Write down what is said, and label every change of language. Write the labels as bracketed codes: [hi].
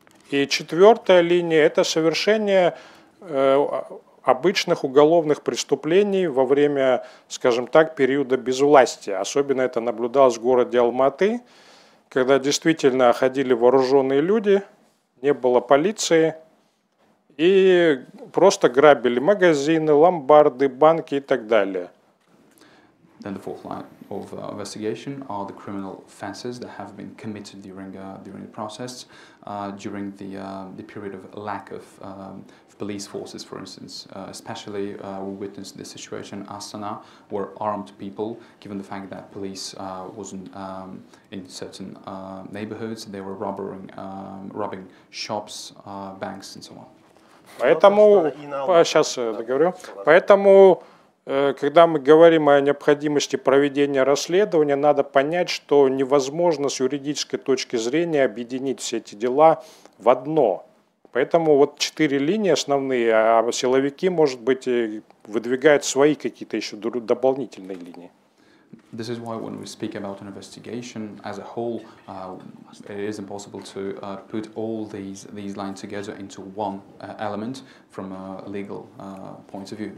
[ru] И четвертая линия – это совершение обычных уголовных преступлений во время, скажем так, периода безвластия. Особенно это наблюдалось в городе Алматы, когда действительно ходили вооруженные люди, не было полиции, и просто грабили магазины, ломбарды, банки и так далее. [en] Then the fourth line of investigation are the criminal offenses that have been committed during during the process, during the period of lack of police forces, for instance. Especially we witnessed the situation in Astana, where armed people, given the fact that police wasn't in certain neighborhoods, they were robbing shops, banks, and so on. [ru] Поэтому сейчас договорю. Поэтому когда мы говорим о необходимости проведения расследования, надо понять, что невозможно с юридической точки зрения объединить все эти дела в одно. Поэтому вот четыре линии основные, а силовики, может быть, выдвигают свои какие-то еще дополнительные линии. [en] This is why when we speak about an investigation as a whole, it is impossible to put all these lines together into one element from a legal point of view.